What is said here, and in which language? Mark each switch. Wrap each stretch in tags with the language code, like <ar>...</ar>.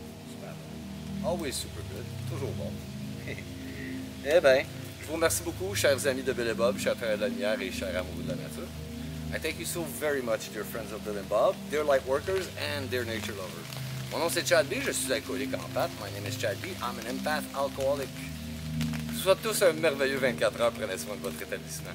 <fr>Super.</fr> <en>Always super good.</en> <fr>Toujours bon. Eh bien, je vous remercie beaucoup, chers amis de Bill et Bob, chers frères de la lumière et chers amoureux de la nature.</fr> <en>I thank you so very much, dear friends of Bill and Bob, dear light workers, and dear nature lovers.</en> <fr>Mon nom c'est Chad B, je suis alcoolique empath.</fr> <en>My name is Chad B, I'm an empath alcoholic.</en> <fr>Je vous souhaite tous un merveilleux 24 heures, prenez soin de votre rétablissement.</fr>